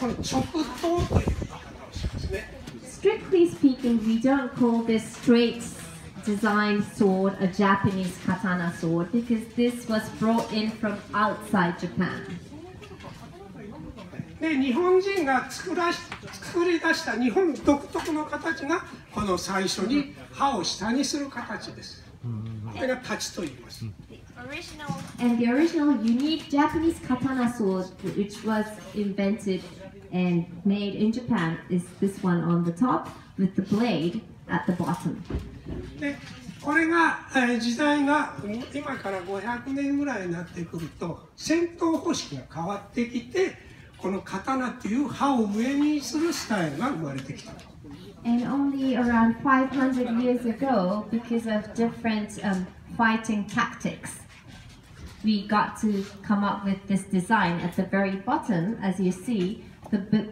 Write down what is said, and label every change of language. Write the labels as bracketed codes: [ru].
[ja] この直刀という言い方をしますね。 [en] Strictly speaking, we don't call this straight design sword a Japanese katana sword because this was brought in from outside Japan. [ja] で日本人が作り出した日本独特の形がこの最初に刃を下にする形です。これが太刀と言います。 [en] And the original unique Japanese katana sword, which was invented and made in Japan, is this one on the top with the blade at the bottom. [ja] でこれが時代が今から500年ぐらいになってくると戦闘方式が変わってきて。この刀という刃を上にするスタイルが生まれてきた。 [en] And only around 500 years ago, because of different fighting tactics, we got to come up with this design at the very bottom, as you see, the